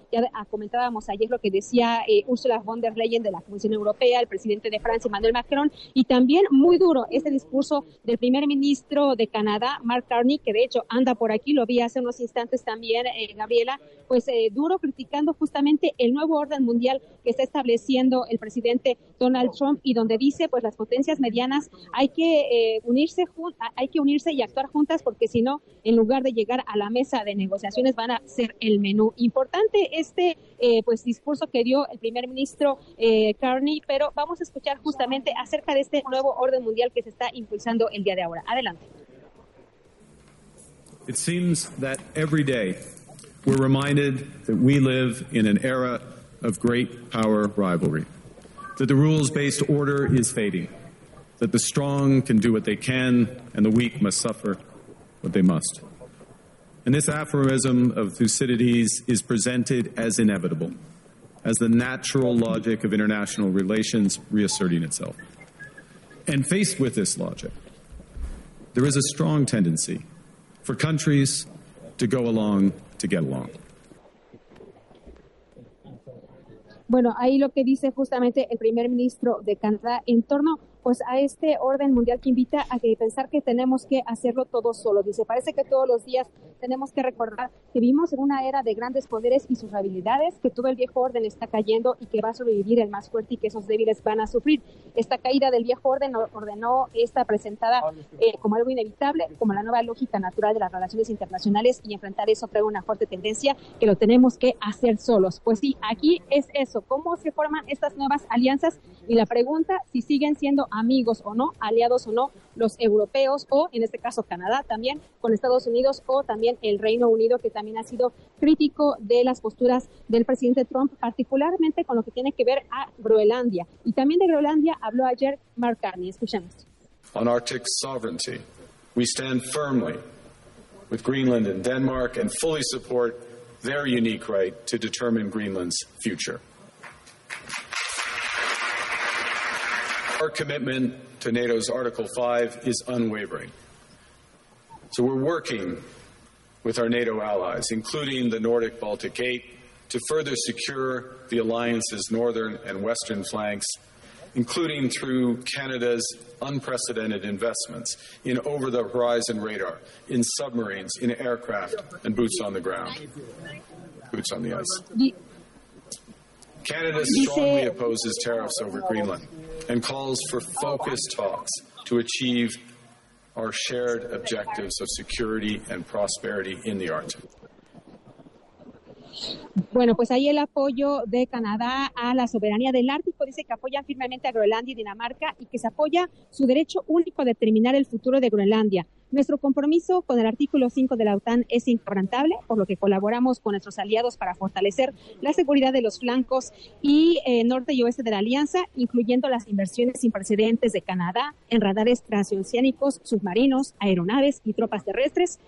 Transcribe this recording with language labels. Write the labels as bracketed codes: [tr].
[es] Ya comentábamos ayer lo que decía Ursula von der Leyen de la Comisión Europea, el presidente de Francia, Emmanuel Macron, y también muy duro este discurso del primer ministro de Canadá, Mark Carney, que de hecho anda por aquí, lo vi hace unos instantes también, Gabriela, pues duro criticando justamente el nuevo orden mundial que está estableciendo el presidente Donald Trump, y donde dice, pues las potencias medianas hay que unirse y actuar juntas, porque si no, en lugar de llegar a la mesa de negociaciones, van a ser el menú. Importante este pues discurso que dio el primer ministro Carney, pero vamos a escuchar justamente acerca de este nuevo orden mundial que se está impulsando el día de ahora. Adelante. [en] It seems that every day we're reminded that we live in an era of great power rivalry, that the rules-based order is fading, that the strong can do what they can and the weak must suffer what they must. And this aphorism of Thucydides is presented as inevitable, as the natural logic of international relations reasserting itself. And faced with this logic, there is a strong tendency for countries to go along to get along. [es] Bueno, ahí lo que dice justamente el primer ministro de Canadá en torno pues a este orden mundial que invita a que pensar que tenemos que hacerlo todo solo. Dice, parece que todos los días tenemos que recordar que vivimos en una era de grandes poderes y sus habilidades, que todo el viejo orden está cayendo y que va a sobrevivir el más fuerte y que esos débiles van a sufrir. Esta caída del viejo orden ordenó esta presentada como algo inevitable, como la nueva lógica natural de las relaciones internacionales, y enfrentar eso trae una fuerte tendencia que lo tenemos que hacer solos. Pues sí, aquí es eso, cómo se forman estas nuevas alianzas, y la pregunta, si siguen siendo amigos o no, aliados o no, los europeos o en este caso Canadá también con Estados Unidos o también el Reino Unido, que también ha sido crítico de las posturas del presidente Trump, particularmente con lo que tiene que ver a Groenlandia. Y también de Groenlandia habló ayer Mark Carney. Escuchemos. [en] On Arctic sovereignty, we stand firmly with Greenland and Denmark and fully support their unique right to determine Greenland's future. Our commitment to NATO's Article 5 is unwavering. So we're working with our NATO allies, including the Nordic Baltic 8, to further secure the alliance's northern and western flanks, including through Canada's unprecedented investments in over-the-horizon radar, in submarines, in aircraft, and boots on the ground. Boots on the ice. Canada strongly opposes tariffs over Greenland and calls for focused talks to achieve our shared objectives of security and prosperity in the Arctic. [es] Bueno, pues ahí el apoyo de Canadá a la soberanía del Ártico, dice que apoyan firmemente a Groenlandia y Dinamarca y que se apoya su derecho único a determinar el futuro de Groenlandia. Nuestro compromiso con el artículo 5 de la OTAN es inquebrantable, por lo que colaboramos con nuestros aliados para fortalecer la seguridad de los flancos y norte y oeste de la alianza, incluyendo las inversiones sin precedentes de Canadá en radares transoceánicos, submarinos, aeronaves y tropas terrestres.